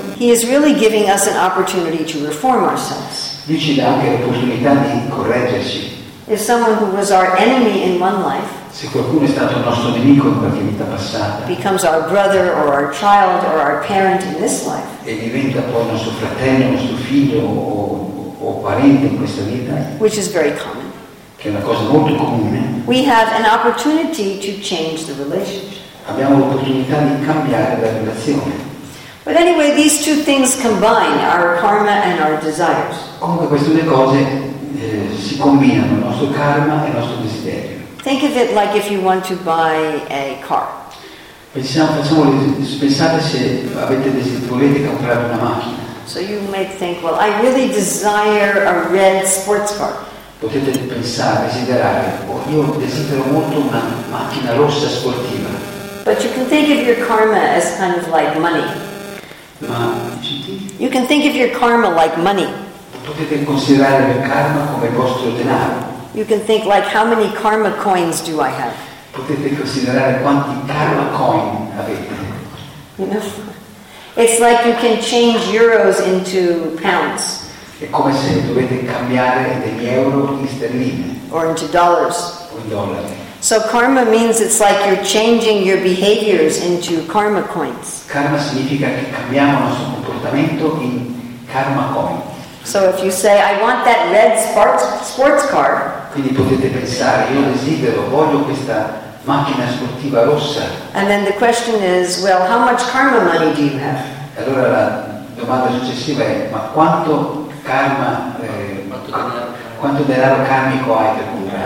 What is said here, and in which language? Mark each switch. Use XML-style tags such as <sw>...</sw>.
<en>he is really giving us an opportunity to reform ourselves.</en> <it>Lui ci dà anche l'opportunità di correggerci.</it> <en>If someone who was our enemy in one life,</en> <it>se qualcuno è stato nostro nemico in qualche vita passata,</it> <en>becomes our brother or our child or our parent in this life,</en> <it>e diventa poi nostro fratello, nostro figlio o parente in questa vita,</it> <en>which is very common,</en> <it>che è una cosa molto comune,</it> <en>we have an opportunity to change the relationship.</en> <it>Abbiamo l'opportunità di cambiare la relazione.</it> <en>But anyway, these two things combine, our karma and our desires.</en> <it>Comunque queste due cose si combinano, il nostro karma e il nostro desiderio.</it> <en>Think of it like if you want to buy a car.</en> <it>Pensate se avete volete comprare una macchina.</it> <en>So you might think, well, I really desire a red sports car.</en> <it>Potete pensare, desiderare, io desidero molto una macchina rossa sportiva.</it> <en>But you can think of your karma as kind of like money.</en> <it>Ma</it> <en>you can think of your karma like money.</en> <it>Potete considerare il karma come il vostro denaro.</it> <en>You can think like, how many karma coins do I have?</en> <it>Potete considerare quanti karma coin avete.</it> <en>It's like you can change euros into pounds.</en> <it>È come se dovete cambiare degli euro in sterline.</it> <en>Or into dollars.</en> <it>O in dollari.</it> <en>So karma means it's like you're changing your behaviors into karma coins.</en> <it>Karma significa che cambiamo il nostro comportamento in karma coin.</it> <en>So if you say, I want that red sports car.</en> <it>Quindi potete pensare, io desidero, voglio questa macchina sportiva rossa.</it> <en>And then the question is, well, how much karma money do you have?</en> <it>Allora la domanda successiva è, ma quanto karma, quanto denaro karmico hai per comprare?</it>